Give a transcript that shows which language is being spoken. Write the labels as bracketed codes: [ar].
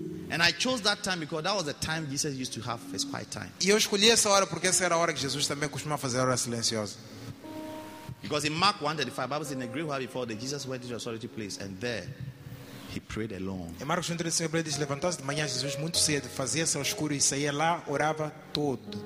[en] And I chose that time because that was the time Jesus used to have his quiet time. [pt] E eu escolhi essa hora porque essa era a hora que Jesus também costumava fazer a hora silenciosa. [en] Because in Mark 1:35, Bible says in a great while before that Jesus went to a solitary place and there he prayed alone. [pt] Em Marcos 1:35, Bible diz, levantou-se de manhã Jesus muito cedo, fazia-se ao escuro e saía lá, orava todo.